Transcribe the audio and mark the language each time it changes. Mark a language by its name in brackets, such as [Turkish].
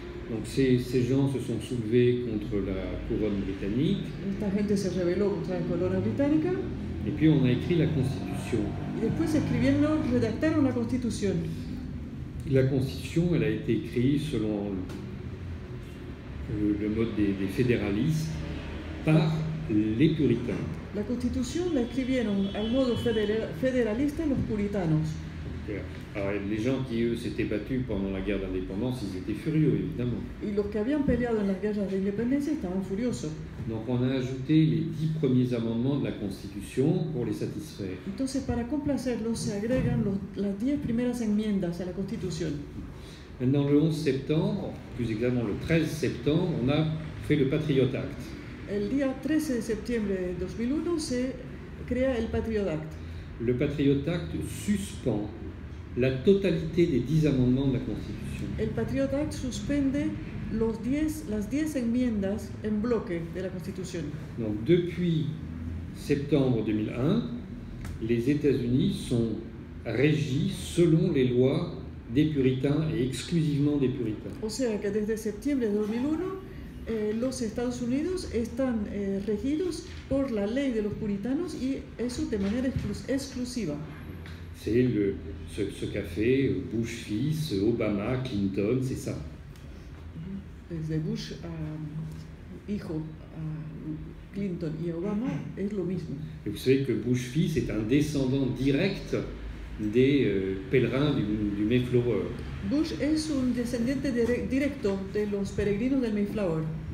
[French] Donc ces gens se sont soulevés contre la couronne britannique. [Spanish] Esta gente se rebeló contra la corona británica. [French] Et puis on a écrit la Constitution. [Spanish] Y después escribiendo redactaron la Constitución. [French] La Constitution, elle a été écrite selon le mode des fédéralistes par les puritains. [Spanish] La Constitution la escribieron al modo federalista los puritanos. [French] Alors, les gens qui eux s'étaient battus pendant la guerre d'indépendance, ils étaient furieux évidemment. [Spanish] Y los que habían peleado en las guerras de independencia estaban furiosos. [French] Donc on a ajouté les 10 premiers amendements de la Constitution pour les satisfaire. [Spanish] Entonces para complacerlos se agregan las 10 primeras enmiendas a la Constitución. [French] Maintenant le 11 septembre, plus exactement le 13 septembre, on a fait le Patriot Act. [Spanish] El día 13 de septiembre de 2001 se crea el Patriot Act. [French] Le Patriot Act suspend la totalité des 10 amendements de la Constitution. [Spanish] El Patriot Act suspende las 10 enmiendas en bloque de la Constitución. [French] Donc depuis septembre 2001, les États-Unis sont régis selon les lois des puritains et exclusivement des puritains. [Spanish] O sea que desde septiembre de 2001, los Estados Unidos están regidos por la ley de los puritanos y eso de manera exclusiva. [French] C'est ce qu'a fait Bush fils, Obama, Clinton, c'est ça. [Spanish] Desde Bush hijo Clinton y Obama es lo mismo. [French] Et vous savez que Bush fils est un descendant direct des pèlerins du Mayflower. [Spanish] Bush es un descendiente directo de los peregrinos del Mayflower.